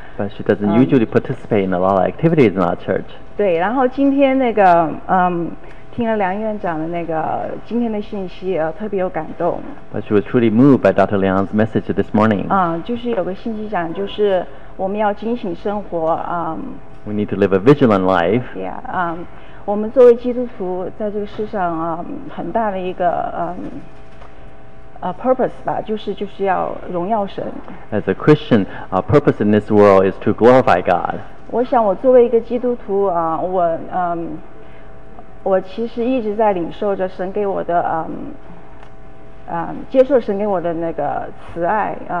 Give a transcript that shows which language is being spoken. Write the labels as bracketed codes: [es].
[en] But she doesn't usually participate in a lot of activities in our church. [zh] 对，然后今天那个，听了梁院长的那个今天的信息，特别有感动。 [en] But she was truly moved by Dr. Liang's message this morning. [zh] 就是有个信息讲，就是我们要警醒生活。 [en] We need to live a vigilant life. [zh] Yeah. 我们作为基督徒在这个世上啊，很大的一个purpose 吧，就是要荣耀神。 [en] As a Christian, our purpose in this world is to glorify God. [zh] 我想，我作为一个基督徒啊，我我其实一直在领受着神给我的接受神给我的那个慈爱